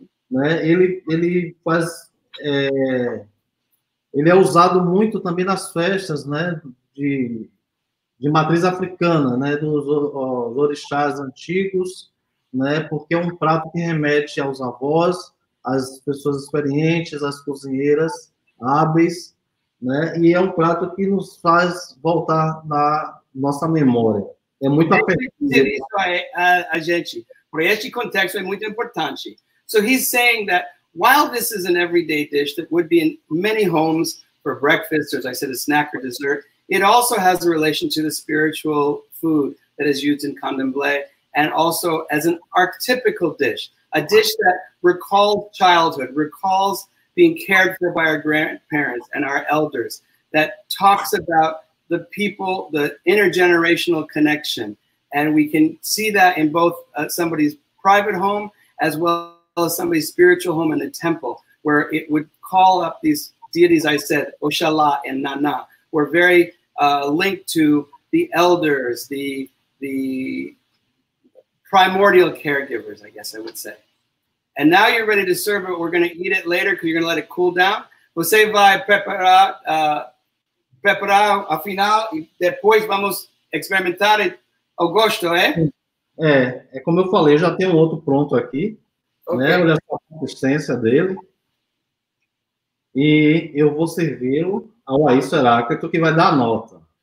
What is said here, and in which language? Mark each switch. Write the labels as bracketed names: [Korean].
[Portuguese] né, ele faz, é, ele é usado muito também nas festas, né, de matriz africana, né, dos orixás antigos, né, porque é um prato que remete aos avós, às pessoas experientes, às cozinheiras hábeis, né, e é um prato que nos faz voltar na nossa memória. É muito apetitoso. A gente, para este contexto, é muito importante. [English] So he's saying that while this is an everyday dish that would be in many homes for breakfast, or as I said, a snack or dessert, it also has a relation to the spiritual food that is used in candomblé, and also as an archetypical dish, a dish that recalls childhood, recalls being cared for by our grandparents and our elders, that talks about the people, the intergenerational connection. And we can see that in both somebody's private home as well as somebody's spiritual home in the temple, where it would call up these deities I said, Oshala and Nana, were very linked to the elders, the primordial caregivers, I guess I would say. And now you're ready to serve it. We're going to eat it later because you're going to let it cool down. [Portuguese] Você vai preparar a final e depois vamos experimentar o gosto, é? É como eu falei, já tem um outro pronto aqui. Okay. Né? Olha só a consistência dele. E eu vou servi-lo ao Aício Heráclito, que vai dar a nota.